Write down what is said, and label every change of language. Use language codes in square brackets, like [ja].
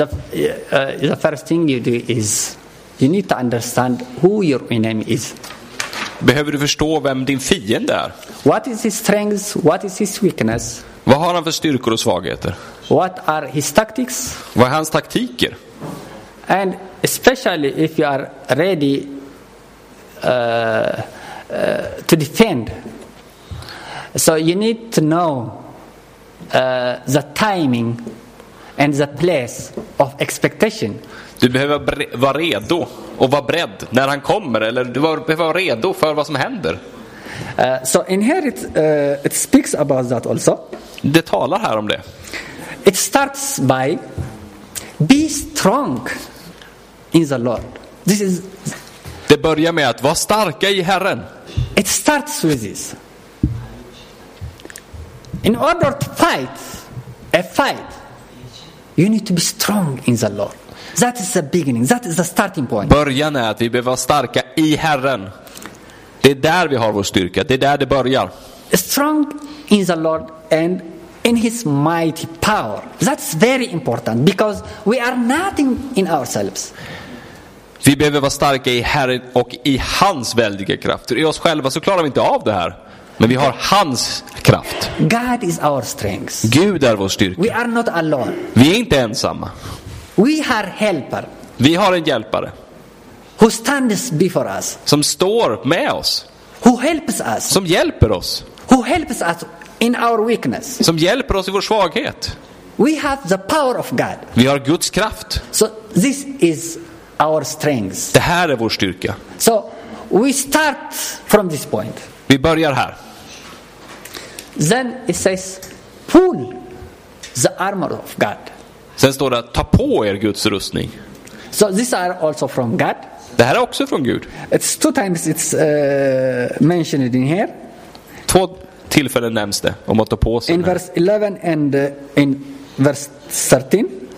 [en] the first thing you do is you need to understand who your enemy is. [sv] Behöver du förstå vem din fiende är? [en] What is his strengths? What is his weakness? [sv] Vad har han för styrkor och svagheter? [en] What are his tactics? [sv] Vad är hans taktiker? [en] And especially if you are ready to defend, so you need to know the timing and the place of expectation. [sv] Du behöver vara redo och vara beredd när han kommer, eller du behöver vara redo för vad som händer. [en] So in here it speaks about that also. [sv] Det talar här om det. [en] It starts by be strong in the Lord. This is. [sv] Det börjar med att vara starka i Herren. [en] It starts with this. In order to fight a fight, you need to be strong in the Lord. That is the beginning. That is the starting point. [sv] Början är att vi behöver vara starka i Herren. Det är där vi har vår styrka. Det är där det börjar. [en] Strong in the Lord and in his mighty power. That's very important because we are nothing in ourselves. [sv] Vi behöver vara starka i Herren och i hans väldiga kraft. I oss själva så klarar vi inte av det här. Men vi har hans kraft. [en] God is our strength. [sv] Gud är vår styrka. [en] We are not alone. [sv] Vi är inte ensamma. [en] We have helper. [sv] Vi har en hjälpare. [en] Who stands before us. [sv] Som står med oss. [en] Who helps us. [sv] Som hjälper oss. [en] Who helps us in our weakness. [sv] Som hjälper oss i vår svaghet. [en] We have the power of God. [sv] Vi har Guds kraft. [en] So this is our strength. [sv] Det här är vår styrka. [en] So we start from this point. [sv] Vi börjar här. [en] Then it says, pull the armor of God. [sv] Sen står det att ta på er Guds rustning. [en] So this are also from God. [sv] Det här är också från Gud. [en] It's two times it's mentioned in here. [sv] Två tillfällen nämns det om att ta på sig. [en] In verse 11 and in verse 13.